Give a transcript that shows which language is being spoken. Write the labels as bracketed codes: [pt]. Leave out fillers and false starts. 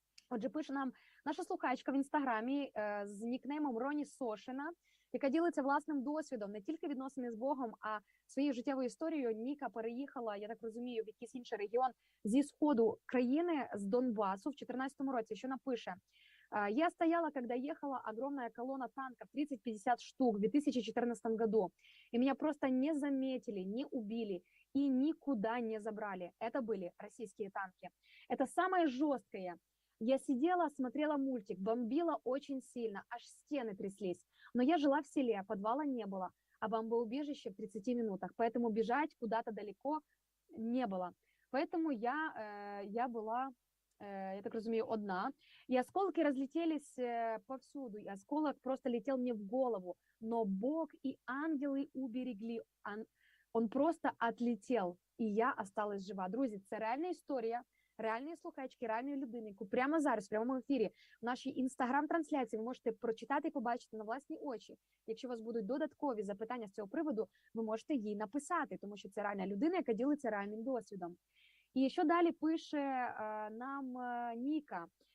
[uk] Отже, пише нам наша слухачка в інстаграмі з нікнеймом Роні Сошина, яка ділиться власним досвідом, не тільки відносини з Богом, а своєю життєвою історією. Ніка переїхала, я так розумію, в якийсь інший регіон зі сходу країни, з Донбасу, в 14-му році. Що напише? [ru] Я стояла, когда ехала огромная колонна танков, 30-50 штук, в 2014 году. И меня просто не заметили, не убили и никуда не забрали. Это были российские танки. Это самое жесткое. Я сидела, смотрела мультик, бомбила очень сильно, аж стены тряслись. Но я жила в селе, подвала не было, а бомбоубежище в 30 минутах, поэтому бежать куда-то далеко не было. Поэтому я была, я так разумею, одна. И осколки разлетелись повсюду, и осколок просто летел мне в голову. Но Бог и ангелы уберегли, он просто отлетел, и я осталась жива. Друзья, это реальная история. [uk] Реальні слухачки, реальні людини, яку прямо зараз, в прямому ефірі, в нашій інстаграм-трансляції ви можете прочитати і побачити на власні очі. Якщо у вас будуть додаткові запитання з цього приводу, ви можете їй написати, тому що це реальна людина, яка ділиться реальним досвідом. І що далі пише нам Ніка?